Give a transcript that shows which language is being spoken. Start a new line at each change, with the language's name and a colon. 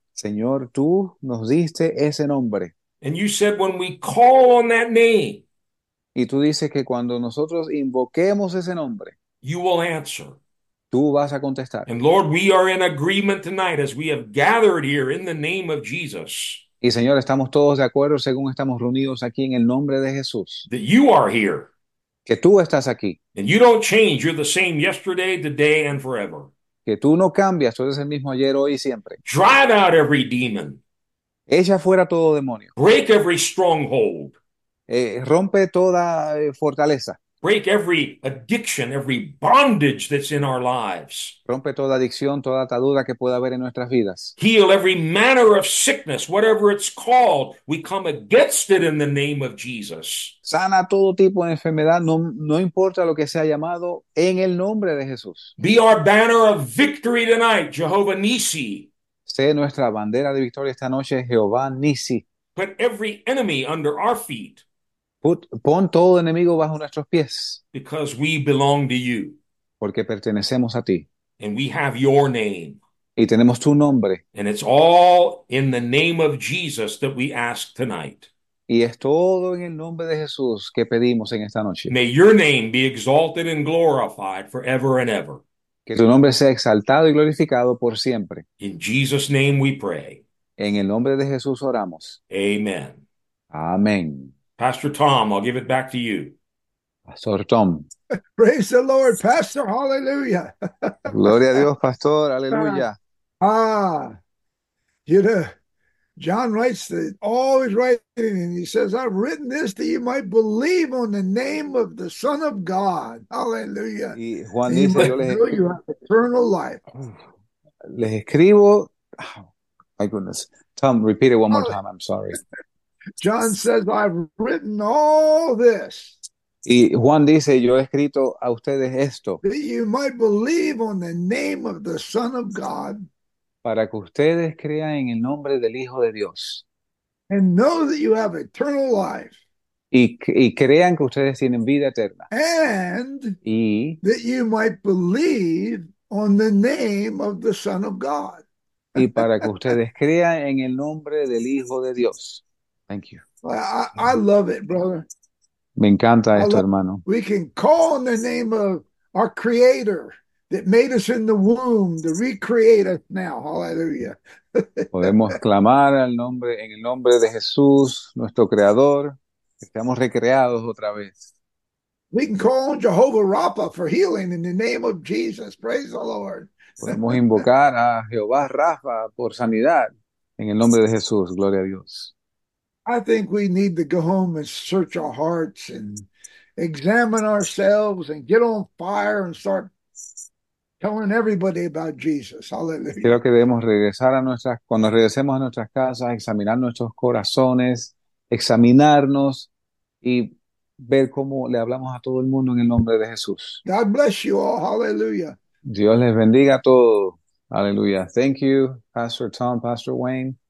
Spanish: Señor, tú nos diste ese nombre.
English: And you said, when we call on that name,
Spanish: Y tú dices que cuando nosotros invoquemos ese nombre,
English: you will answer.
Spanish: tú vas a contestar.
English: And Lord, we are in agreement tonight as we have gathered here in the name of Jesus
Spanish: Y Señor, estamos todos de acuerdo según estamos reunidos aquí en el nombre de
English: that
Spanish: Jesús.
English: you are here.
Spanish: Que tú estás aquí.
English: And you don't change. You're the same yesterday, today, and forever.
Spanish: Que tú no cambias, tú eres el mismo ayer, hoy y siempre.
English: Drive out every demon.
Spanish: Echa fuera todo demonio.
English: Break every stronghold.
Spanish: Rompe toda fortaleza.
English: Break every addiction, every bondage that's in our lives.
Spanish: Rompe toda adicción, toda atadura que pueda haber en nuestras vidas.
English: Heal every manner of sickness, whatever it's called. We come against it in the name of Jesus.
Spanish: Sana todo tipo de enfermedad, no importa lo que sea llamado, en el nombre de Jesús.
English: Be our banner of victory tonight, Jehovah Nisi.
Spanish: Sé nuestra bandera de victoria esta noche, Jehová Nisi.
English: Put every enemy under our feet
Spanish: Pon todo enemigo bajo nuestros pies,
English: because we belong to you.
Spanish: porque pertenecemos a ti.
English: And we have your name.
Spanish: Y tenemos tu nombre.
English: And it's all in the name of Jesus that we ask tonight.
Spanish: Y es todo en el nombre de Jesús que pedimos en esta noche.
English: May your name be exalted and glorified forever and ever.
Spanish: Que tu nombre sea exaltado y glorificado por siempre.
English: In Jesus' name we pray.
Spanish: En el nombre de Jesús oramos.
English: Amen.
Spanish: Amén.
English: Pastor Tom, I'll give it back to you.
Spanish: Pastor Tom.
English: Praise the Lord, Pastor. Hallelujah.
Spanish: Gloria a Dios, Pastor. Aleluya.
English: You know, John writes that, always writing, and he says, I've written this that you might believe on the name of the Son of God. Hallelujah.
Spanish: Y Juan
English: And you
Spanish: dice,
English: might
Spanish: yo
English: know you have eternal life.
Spanish: les escribo.
English: Oh, my goodness. Tom, repeat it one more time. I'm sorry. John says, I've written all this
Spanish: Y Juan dice, yo he escrito a ustedes esto
English: that you might believe on the name of the Son of God
Spanish: para que ustedes crean en el nombre del Hijo de Dios
English: and know that you have eternal life
Spanish: y crean que ustedes tienen vida eterna
English: and
Spanish: y
English: that you might believe on the name of the Son of God.
Spanish: para que ustedes crean en el nombre del Hijo de Dios.
English: Thank you. I love it, brother.
Spanish: Me encanta
English: I
Spanish: esto,
English: love it.
Spanish: hermano.
English: We can call on the name of our Creator. that made us in the womb, to recreate us now. Hallelujah.
Spanish: Podemos clamar al nombre, en el nombre de Jesús, nuestro creador, que estamos recreados otra vez.
English: We can call on Jehovah Rapha for healing in the name of Jesus. Praise the Lord.
Spanish: Podemos invocar a Jehová Rafa por sanidad en el nombre de Jesús. Gloria a Dios.
English: I think we need to go home and search our hearts and examine ourselves and get on fire and start telling everybody about Jesus. Hallelujah.
Spanish: Creo que debemos regresar a nuestras, cuando regresemos a nuestras casas, examinar nuestros corazones, examinarnos y ver cómo le hablamos a todo el mundo en el nombre de Jesús.
English: God bless you all. Hallelujah.
Spanish: Dios les bendiga a todos. Aleluya.
English: Thank you, Pastor Tom, Pastor Wayne.